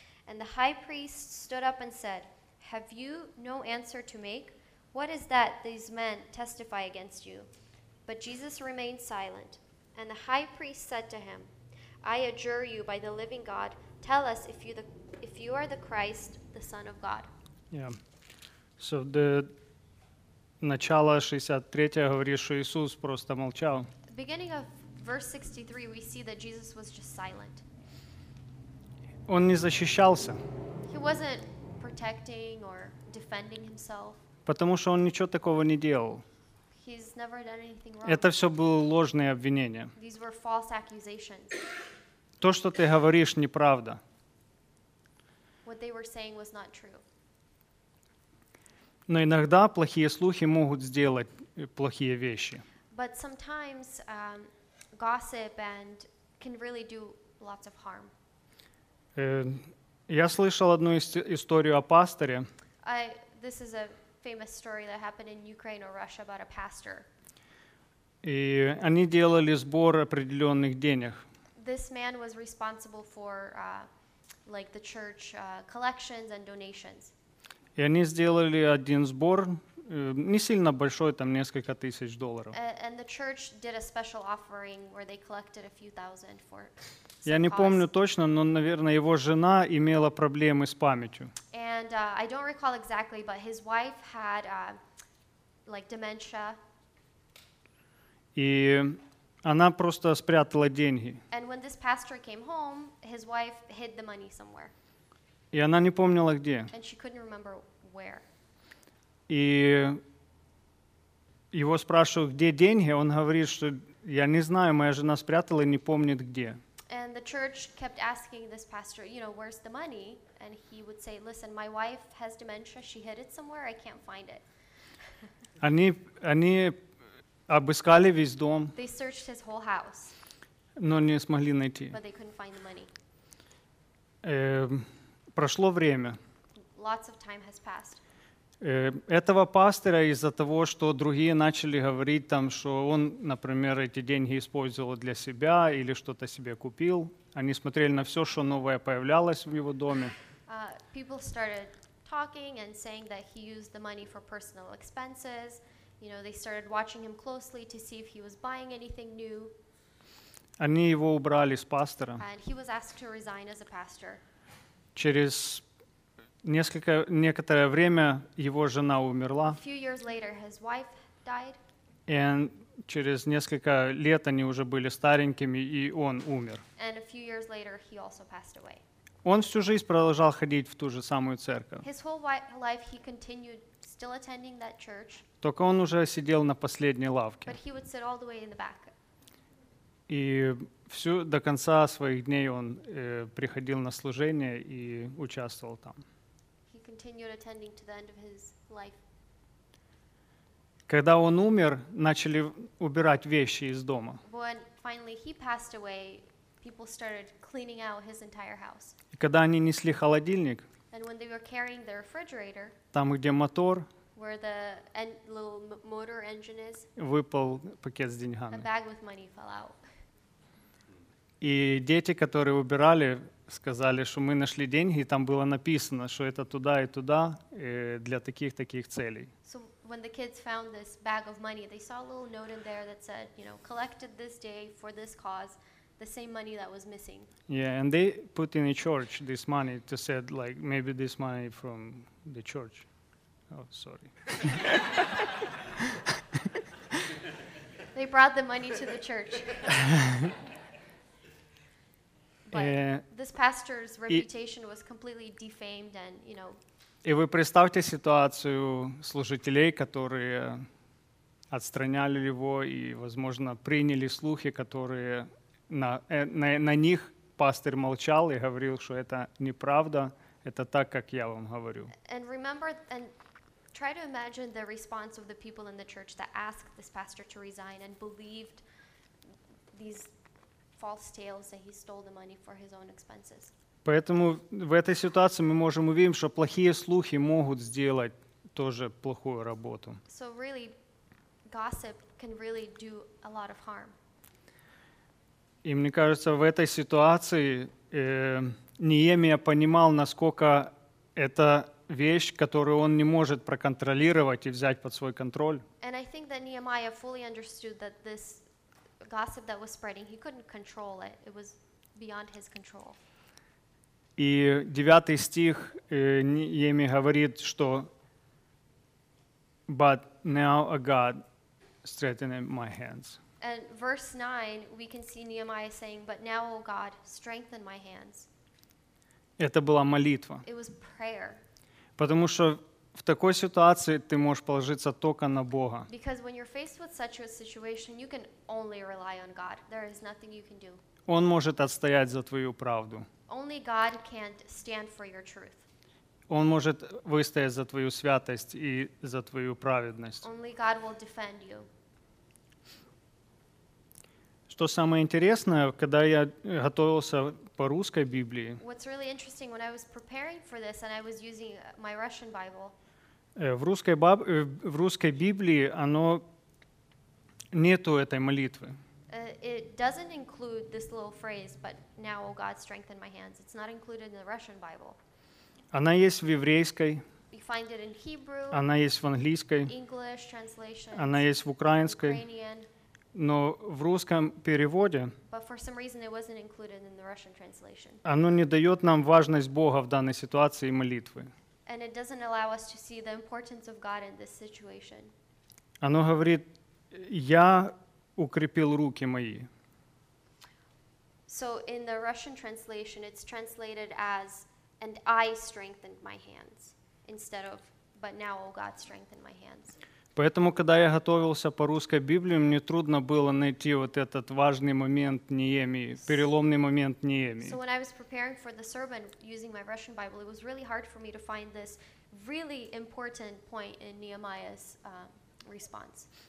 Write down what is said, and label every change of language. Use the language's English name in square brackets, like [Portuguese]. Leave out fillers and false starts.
[English] And the high priest stood up and said, "Have you no answer to make? What is that these men testify against you?" But Jesus remained silent. And the high priest said to him, "I adjure you by the living God, tell us if you are the Christ, the Son of God." Yeah. So the [Russian] начало 63 говорит, что Иисус просто молчал. [English] Beginning of verse 63, we see that Jesus was just silent. [Russian] Он не защищался. [English] He wasn't protecting or defending himself. [Russian] Потому что он ничего такого не делал. [English] He's never done anything wrong. [Russian] Это все было ложные обвинения. [English] These were false accusations. [Russian] То, что ты говоришь, неправда. [English] What they were saying was not true. [Russian] Но иногда плохие слухи могут сделать плохие вещи. [English] But sometimes gossip and can really do lots of harm. [Russian] Я слышал одну историю о пасторе. [English] This is a famous story that happened in Ukraine or Russia about a pastor. [Russian] И они делали сбор определенных денег. [English] This man was responsible for like the church collections and donations. [Russian] И они сделали один сбор, не сильно большой, там несколько тысяч долларов. [English] And the church did a special offering where they collected a few thousand for [Russian] Я не помню точно, но, наверное, его жена имела проблемы с памятью. [English] And I don't recall exactly, but his wife had like dementia. [Russian] И она просто спрятала деньги. [English] And when this pastor came home, his wife hid the money somewhere. [Russian] И она не помнила где. [English] And she couldn't remember where. [Russian] И его спрашивают, где деньги, он говорит, что я не знаю, моя жена спрятала и не помнит где. [English] And the church kept asking this pastor, you know, where's the money? And he would say, "Listen, my wife has dementia. She hid it somewhere. I can't find it." [Russian] Они обыскали весь дом. [English] They searched his whole house. [Russian] Но не смогли найти. [English] But they couldn't find the money. [Russian] Прошло время. [English] Lots of time has passed. [Russian] Этого пастора из-за того, что другие начали говорить там, что он, например, эти деньги использовал для себя или что-то себе купил. Они смотрели на все, что новое появлялось в его доме. [English] People started talking and saying that he used the money for personal expenses. You know, they started watching him closely to see if he was buying anything new. [Russian] Они его убрали с пастора. [English] And he was asked to resign as a pastor. [Russian] Через Некоторое время его жена умерла. [English] A few years later, his wife died. [Russian] И через несколько лет они уже были старенькими, и он умер. [English] And a few years later, he also passed away. [Russian] Он всю жизнь продолжал ходить в ту же самую церковь. [English] His whole life he continued still attending that church. [Russian] Только он уже сидел на последней лавке. [English] But he would sit all the way in the back. [Russian] И всю до конца своих дней он приходил на служение и участвовал там. [English] He continued attending to the end of his life. [Russian] Когда он умер, начали убирать вещи из дома. [English] When finally he passed away, people started cleaning out his entire house. [Russian] И когда они несли холодильник, [English] and when they were carrying the refrigerator, [Russian] там, где мотор, [English] where the little motor engine is, [Russian] выпал пакет с деньгами. [English] A bag with money fell out. [Russian] И дети, которые убирали, сказали, что мы нашли деньги, и там было написано, что это туда и туда, для таких-таких целей. [English] So when the kids found this bag of money, they saw a little note in there that said, you know, collected this day for this cause, the same money that was missing. Yeah, and they put in a church this money to said, like, maybe this money from the church. Oh, sorry. They brought the money to the church. But this pastor's reputation was completely defamed and, you know. [Russian] И вы представьте ситуацию служителей, которые отстраняли его и, возможно, приняли слухи, которые на них пастор молчал и говорил, что это неправда, это так, как я вам говорю. [English] And remember and try to imagine the response of the people in the church that asked this pastor to resign and believed these false tales that he stole the money for his own expenses. [Russian] Поэтому в этой ситуации мы можем увидеть, что плохие слухи могут сделать тоже плохую работу. [English] So really, gossip can really do a lot of harm. [Russian] И мне кажется, в этой ситуации Неемия понимал, насколько это вещь, которую он не может проконтролировать и взять под свой контроль. [English] And I think that Nehemiah fully understood that this gossip that was spreading, he couldn't control it. It was beyond his control. [Russian] И девятый стих Неемия говорит, что [English] but now a God strengthened my hands. And verse 9, we can see Nehemiah saying, but now, O God, strengthen my hands. [Russian] Это была молитва. [English] It was prayer. [Russian] Потому что в такой ситуации ты можешь положиться только на Бога. [English] Because when you're faced with such a situation, you can only rely on God. There is nothing you can do. [Russian] Он может отстоять за твою правду. [English] Only God can stand for your truth. [Russian] Он может выстоять за твою святость и за твою праведность. [English] Only God will defend you. [Russian] Что самое интересное, когда я готовился по русской Библии, [English] what's really interesting, when I was preparing for this and I was using my Russian Bible, [Russian] в русской Библии оно нету этой молитвы. [English] It doesn't include this little phrase, but now, O God, strengthen my hands. It's not included in the Russian Bible. [Russian] Она есть в еврейской. [English] You find it in Hebrew. [Russian] Она есть в английской. [English] English translation. [Russian] Она есть в украинской. [English] Ukrainian. [Russian] Но в русском переводе, [English] but for some reason it wasn't included in the Russian translation. [Russian] Оно не дает нам важность Бога в данной ситуации и молитвы. [English] And it doesn't allow us to see the importance of God in this situation. [Russian] Оно говорит, я укрепил руки мои. [English] So in the Russian translation, it's translated as, and I strengthened my hands, instead of, but now, O God, strengthen my hands. [Russian] Поэтому, когда я готовился по русской Библии, мне трудно было найти вот этот важный момент Неемии, переломный момент Неемии. [English] So when I was preparing for the sermon using my Russian Bible, it was really hard for me to find this really important point in Nehemiah's response.